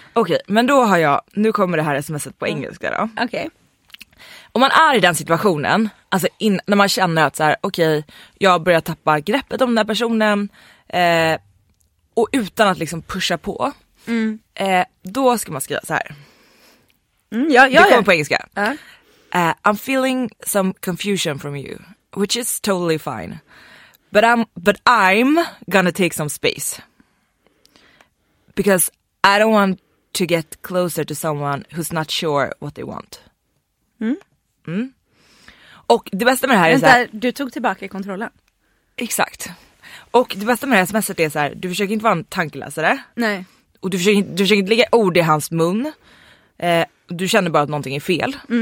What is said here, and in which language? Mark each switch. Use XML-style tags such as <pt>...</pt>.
<sv>Okej, men då har jag, nu kommer det här smset på engelska då. Okej. Om man är i den situationen, alltså när man känner att så här, okej, jag börjar tappa greppet om den här personen, och utan att liksom pusha på, då ska man skriva så här. Det kommer på engelska.</sv> <en>I'm feeling some confusion from you, which is totally fine. But I'm gonna take some space. Because I don't want to get closer to someone who's not sure what they want.</en> <sv>Och det bästa med det här är så här, du tog tillbaka kontrollen. Exakt. Och det bästa med det här smset är så här, du försöker inte vara en tankeläsare. Nej. Och du försöker inte lägga ord i hans mun. Du känner bara att någonting är fel.</sv>